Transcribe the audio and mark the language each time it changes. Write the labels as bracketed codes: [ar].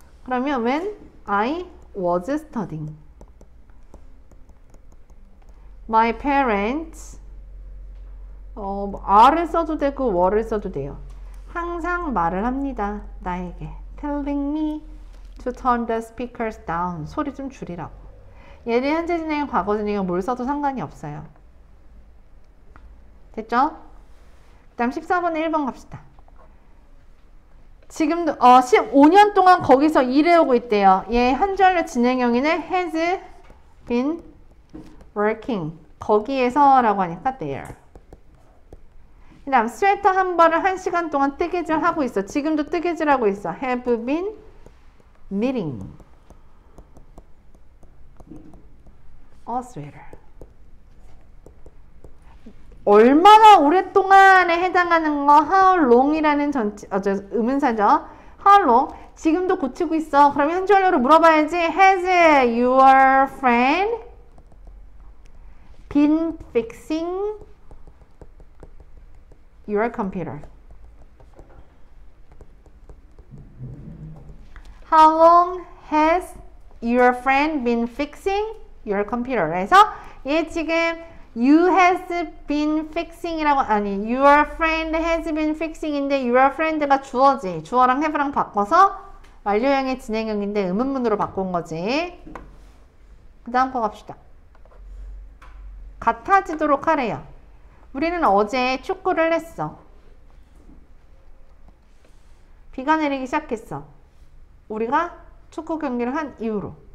[ko] 그러면 [en] when I was studying, my parents, are [ko] 써도 되고 [en] were [ko] 써도 돼요. 항상 말을 합니다. 나에게 [en] telling me to turn the speakers down. [ko] 소리 좀 줄이라고. 얘는 현재 진행, 과거 진행이고 뭘 써도 상관이 없어요. 됐죠? 그다음 14번에 1번 갑시다. 지금도 15년 동안 거기서 일해오고 있대요. 얘 현재완료 진행형에는 has been working 거기에서라고 하니까 there. 그다음 스웨터 한 벌을 1시간 동안 뜨개질하고 있어. 지금도 뜨개질하고 있어. [en] Have been knitting a sweater. [ko] 얼마나 오랫동안에 해당하는 거, how long이라는 의문사죠. How long? 지금도 고치고 있어. 그러면 현지완료로 물어봐야지. [en] Has your friend been fixing your computer? How long has your friend been fixing your computer? [ko] 그래서 얘 지금 [en] You has been fixing이라고, [ko] 아니, [en] your friend has been fixing인데, your friend가 주어지. [ko] 주어랑 have랑 바꿔서, 완료형의 진행형인데, 의문문으로 바꾼 거지. 그 다음 거 갑시다. 같아지도록 하래요. 우리는 어제 축구를 했어. 비가 내리기 시작했어. 우리가 축구 경기를 한 이후로.